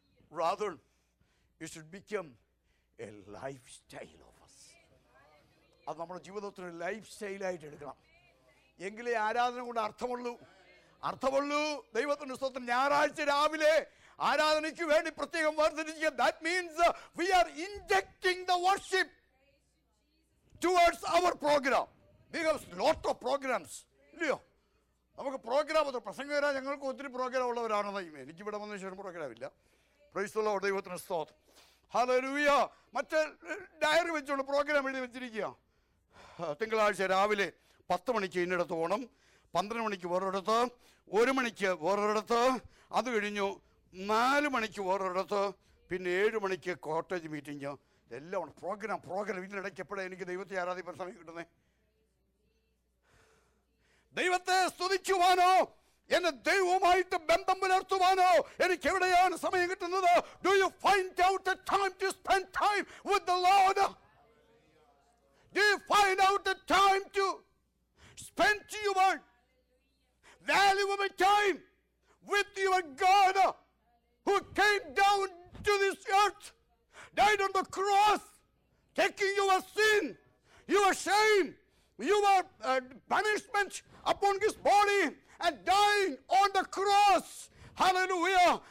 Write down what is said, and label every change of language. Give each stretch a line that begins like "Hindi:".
English: Rather, it should become a lifestyle of us.
Malayalam: അത് നമ്മുടെ ജീവിതത്തിനൊരു life സ്റ്റൈലായിട്ട് എടുക്കണം. എങ്കിലേ ആരാധന കൊണ്ട് അർത്ഥമുള്ളൂ, അർത്ഥമുള്ളൂ ദൈവത്തിൻ്റെ സ്വത്തിൽ. ഞായറാഴ്ച രാവിലെ ആരാധനയ്ക്ക് വേണ്ടി പ്രത്യേകം വർദ്ധിച്ചിരിക്കുക.
English: That means we are injecting the worship towards our programme. We have lot of programmes
Malayalam: ഇല്ലയോ? നമുക്ക് പ്രോഗ്രാം ഒത്തിരി പ്രസംഗം വരാൻ ഞങ്ങൾക്ക് ഒത്തിരി പ്രോഗ്രാം ഉള്ളവരാണ്. എനിക്കിവിടെ വന്ന ശേഷം പ്രോഗ്രാം ഇല്ല.
English: Praise the Lord.
Malayalam: ദൈവത്തിൻ്റെ സ്തോത്രം. ഹല്ലേലൂയാ. മറ്റേ ഡയറി വെച്ചുകൊണ്ട് പ്രോഗ്രാം എഴുതി വെച്ചിരിക്കുക. തിങ്കളാഴ്ച രാവിലെ 10 മണിക്ക് ഇന്നിടത്ത് പോകണം, 12 മണിക്ക് വേറൊരിടത്ത്, 1 മണിക്ക് വേറൊരിടത്ത്, അത് കഴിഞ്ഞു 4 മണിക്ക് വേറൊരിടത്ത്, പിന്നെ 7 മണിക്ക് കോട്ടേജ് മീറ്റിങ്. എല്ലാം പ്രോഗ്രാം പ്രോഗ്രാം. ഇതിനിടയ്ക്ക് എപ്പോഴാണ് എനിക്ക് ദൈവത്തെ ആരാധിക്കാൻ സമയം കിട്ടുന്നത്? ദൈവത്തെ സ്തുതിക്കുവാനോ എന്നെ ദൈവവുമായിട്ട് ബന്ധം പുലർത്തുവാനോ എനിക്ക് എവിടെയാണ് സമയം കിട്ടുന്നത്?
English: Do you find out a time to spend time with the Lord? Do you find out a time to spend your valuable time with your God who came down to this earth, died on the cross, taking your sin, your shame, your punishment upon his body and dying on the cross. Hallelujah.